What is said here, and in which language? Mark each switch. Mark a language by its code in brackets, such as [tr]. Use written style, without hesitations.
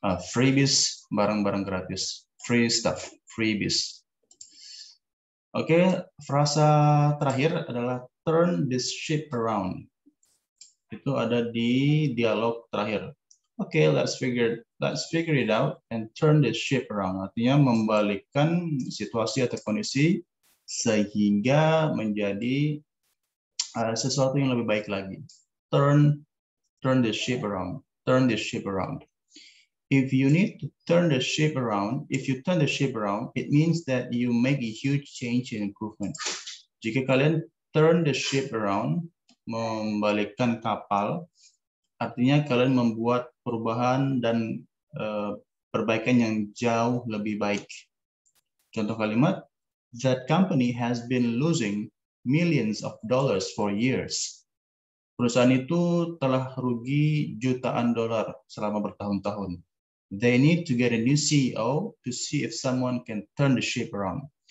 [en] Freebies, [id] barang-barang gratis, [en] free stuff, freebies. [id] Oke, frasa terakhir adalah [en] turn this ship around. [id] Itu ada di dialog terakhir. [en] Oke, let's figure it out and turn this ship around. [id] Artinya membalikkan situasi atau kondisi sehingga menjadi sesuatu yang lebih baik lagi. [en] Turn this ship around. Turn this ship around. If you need to turn the ship around, if you turn the ship around, it means that you make a huge change and improvement. [id] Jika kalian [en] turn the ship around, [id] membalikkan kapal, artinya kalian membuat perubahan dan perbaikan yang jauh lebih baik. Contoh kalimat, [en] that company has been losing millions of dollars for years. [id] Perusahaan itu telah rugi jutaan dolar selama bertahun-tahun. [en] They need to get a new CEO to see if someone can turn the ship around.